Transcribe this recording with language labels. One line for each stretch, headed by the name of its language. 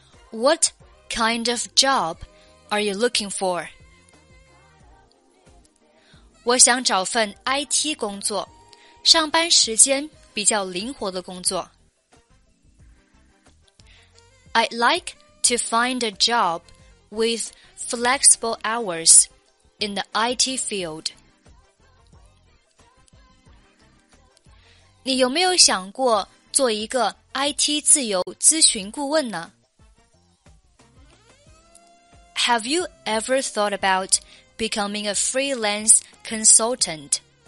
English: What kind of job are you looking for?
Chinese: 我想找份 IT 工作，上班时间比较灵活的工作。
English: I'd like to find a job with flexible hours in the IT field.
Chinese: 你有没有想过做一个 IT 自由咨询顾问呢？
English: Have you ever thought aboutBecoming a freelance consultant.